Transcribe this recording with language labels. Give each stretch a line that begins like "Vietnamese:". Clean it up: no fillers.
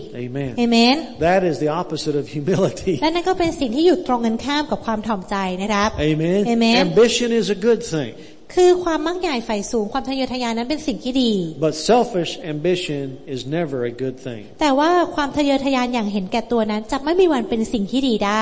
English: Amen. Amen. That is the opposite of humility.
Thai: และนั่นก็เป็นสิ่งที่อยู่ตรงกันข้ามกับความถ่อมใจนะครับ
English: Amen. Amen. Ambition is a good thing.
Thai: คือความมักใหญ่ฝ่ายสูงความทะเยอทะยานนั้นเป็นสิ่งที่ดี
English: But selfish ambition is never a good thing.
Thai: แต่ว่าความทะเยอทะยานอย่างเห็นแก่ตัวนั้นจะไม่มีวันเป็นสิ่งที่ดีได